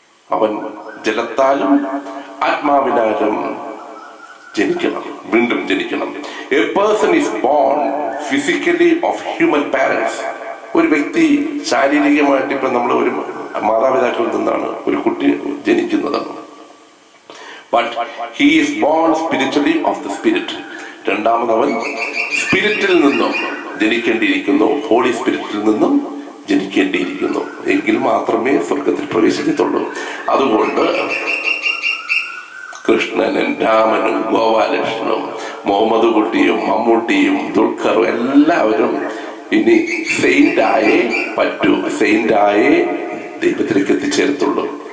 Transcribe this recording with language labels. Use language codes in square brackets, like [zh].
[ml] അവൻ ജലത്താലും ആത്മാവിനാലും ജനിക്കണം, വീണ്ടും ജനിക്കണം. [en] A person is born physically of human parents. [ml] ഒരു വ്യക്തി ശാരീരികമായിട്ട്, ഇപ്പൊ നമ്മൾ ഒരു മാതാപിതാക്കളിൽ നിന്നാണ് ഒരു കുട്ടി ജനിക്കുന്നത്. [en] But he is born spiritually of the spirit. [ml] രണ്ടാമതവൻ സ്പിരിറ്റിൽ നിന്നും ജനിക്കേണ്ടിയിരിക്കുന്നു, ഹോളി സ്പിരിറ്റിൽ നിന്നും ജനിക്കേണ്ടിയിരിക്കുന്നു. എങ്കിൽ മാത്രമേ സ്വർഗത്തിൽ പ്രവേശിക്കത്തുള്ളൂ. അതുകൊണ്ട് കൃഷ്ണനും രാമനും ഗോപാലകൃഷ്ണനും മുഹമ്മദ് കുട്ടിയും മമ്മൂട്ടിയും ദുൽഖറും എല്ലാവരും ഇനി സെയിന്റ് ആയേ പറ്റൂ, സെയിന്റ് ആയേ ദൈവത്തിലേക്ക് എത്തിച്ചേരത്തുള്ളൂ.